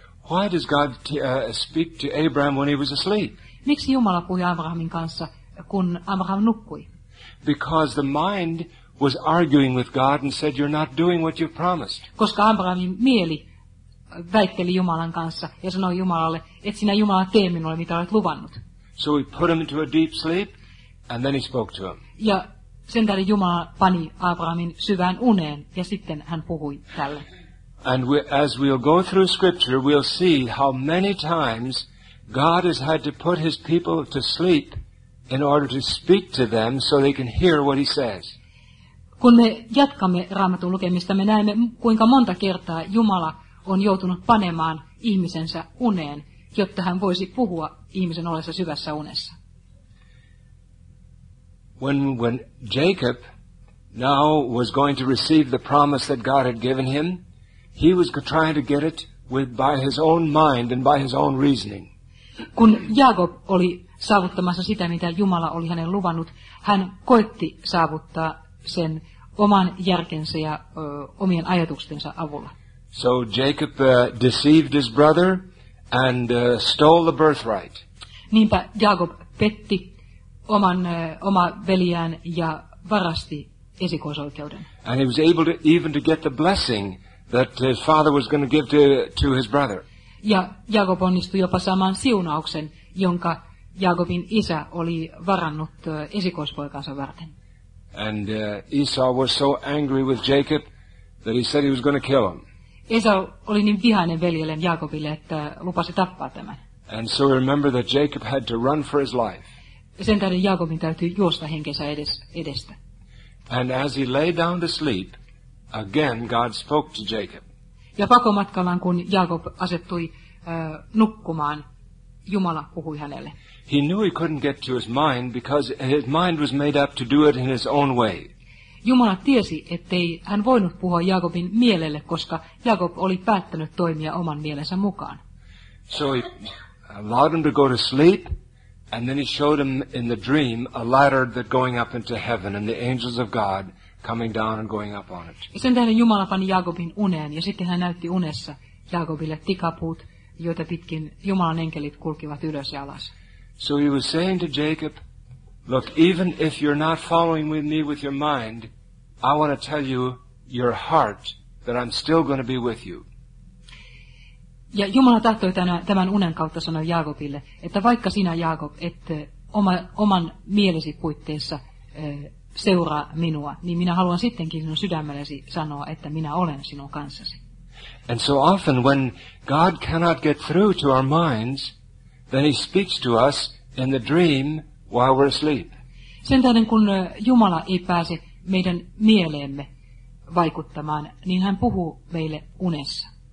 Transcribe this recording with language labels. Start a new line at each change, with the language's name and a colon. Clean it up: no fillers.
English: Why does God speak to Abraham when he was asleep?
Finnish: Miksi Jumala puhui Abrahamin kanssa, kun Abraham nukkui?
English: Because the mind was arguing with God and said, you're not doing what you promised.
Finnish: Koska Abrahamin mieli väitteli Jumalan kanssa ja sanoi Jumalalle, et sinä Jumala tee minulle, mitä olet luvannut.
English: So he put him into a deep sleep and then he spoke to him.
Finnish: Ja sen tähden Jumala pani Abrahamin syvään uneen ja sitten hän puhui tälle.
English: And as we'll go through scripture, we'll see how many times God has had to put his people to sleep in order to speak to them so they can hear what he says.
Finnish: Kun me jatkamme Raamatun lukemista, me näemme, kuinka monta kertaa Jumala on joutunut panemaan ihmisensä uneen, jotta hän voisi puhua ihmisen ollessa syvässä unessa.
English: When Jacob now was going to receive the promise that God had given him, he was trying to get it by his own mind and by his own reasoning.
Finnish: Kun Jaakob oli saavuttamassa sitä, mitä Jumala oli hänen luvannut, hän koetti saavuttaa sen oman järkensä ja omien ajatustensa avulla.
English: So Jacob deceived his brother and stole the birthright.
Finnish: Niinpä Jaakob petti oma veljään ja varasti esikoisoikeuden.
English: And he was able to even to get the blessing that his father was going to give to his brother.
Finnish: Ja Jaakob onnistui jopa saamaan siunauksen, jonka Jaakobin isä oli varannut esikoispoikansa varten.
English: And Esau was so angry with Jacob that he said he was going to kill him.
Finnish: Esau oli niin vihainen veljelleen Jaakobille, että lupasi tappaa tämän.
English: And so remember that Jacob had to run for his life.
Finnish: Sen tähden Jaakobin täytyy juosta henkensä edestä.
English: And as he lay down to sleep, again God spoke to Jacob.
Finnish: Ja pakomatkallaan, kun Jaakob asettui nukkumaan, Jumala puhui hänelle.
English: He knew he couldn't get to his mind because his mind was made up to do it in his own way.
Finnish: Jumala tiesi, ettei hän voinut puhua Jaakobin mielelle, koska Jaakob oli päättänyt toimia oman mielensä mukaan.
English: So he allowed him to go to sleep, and then he showed him in the dream a ladder that going up into heaven, and the angels of God coming down and going up on it.
Finnish: Ja sen tähden Jumala pani Jaakobin uneen, ja sitten hän näytti unessa Jaakobille tikapuut, joita pitkin Jumalan enkelit kulkivat ylös ja alas.
English: So he was saying to Jacob, look, even if you're not following with me with your mind, I want to tell you your heart that I'm still going to be with you.
Finnish: Ja Jumala tahtoi tämän unen kautta sanoa Jaakobille, että vaikka sinä, Jaakob, et oman mielesi puitteissa seuraa minua, niin minä haluan sittenkin sinun sydämellesi sanoa, että minä olen sinun kanssasi.
English: And so often when God cannot get through to our minds, then he speaks to us in the dream while we're asleep.
Finnish: Sen tähden, kun Jumala ei pääse meidän mieleemme vaikuttamaan, niin hän puhuu meille unessa.